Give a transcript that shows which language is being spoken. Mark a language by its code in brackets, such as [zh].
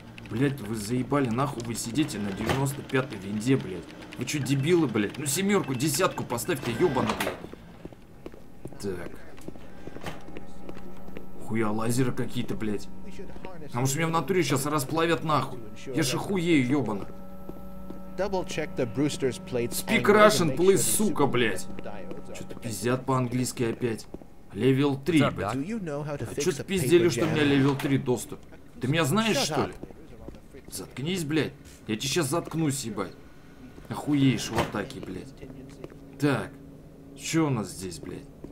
[ru] Блядь, вы заебали, нахуй вы сидите на 95-й винде, блядь. Вы чё, дебилы, блядь? Ну, семерку, десятку поставьте, ёбан, блядь. Так. Хуя, лазеры какие-то, блядь. Потому что меня в натуре сейчас расплавят нахуй. Я же хуею, ёбано. [en] Speak Russian, please, [ru] сука, блядь. Что-то пиздят по-английски опять. Левел 3, блядь. А что-то пиздели, что у меня левел 3 доступ. Ты меня знаешь, что ли? Заткнись, блядь. Я тебе сейчас заткнусь, ебать. Охуеешь в атаке, блядь. Так. Что у нас здесь, блядь?